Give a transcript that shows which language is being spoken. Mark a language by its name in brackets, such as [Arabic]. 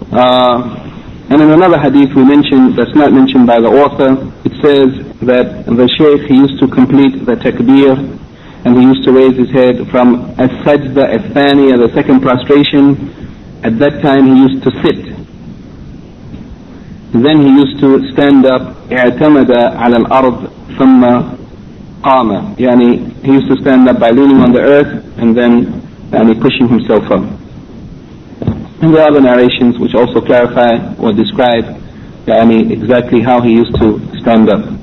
[English] And in another hadith we mentioned, that's not mentioned by the author, it says that the shaykh, he used to complete the takbir, and he used to raise his head from as-sajda as-thani, the second prostration. At that time he used to sit. Then he used to stand up, [Arabic] اعتمد على الأرض ثم قام. [English] يعني he used to stand up by leaning on the earth and then يعني pushing himself up. And there are other narrations which also clarify or describe يعني exactly how he used to stand up.